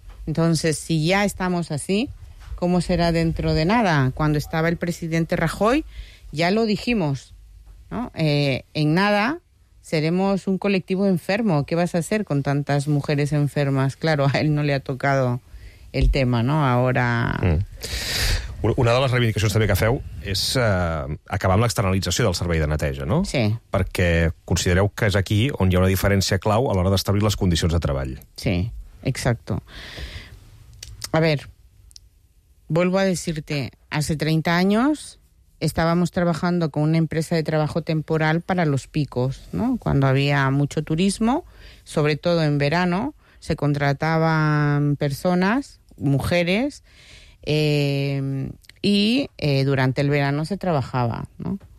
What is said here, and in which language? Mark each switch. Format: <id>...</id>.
<es>Entonces, si ya estamos así, ¿cómo será dentro de nada? Cuando estaba el presidente Rajoy, ya lo dijimos, ¿no? En nada seremos un colectivo enfermo. ¿Qué vas a hacer con tantas mujeres enfermas? Claro, a él no le ha tocado el tema, ¿no? Ahora...</es> <ca>Una de les reivindicacions també que feu és acabar amb l'externalització del servei de neteja, no? Sí. Perquè considereu que és aquí on hi ha una diferència clau a l'hora d'establir les condicions de treball.</ca> <es>Sí, exacto. A ver... Vuelvo a decirte, hace 30 años estábamos trabajando con una empresa de trabajo temporal para los picos, ¿no? Cuando había mucho turismo, sobre todo en verano, se contrataban personas, mujeres, y durante el verano se trabajaba, ¿no?</es>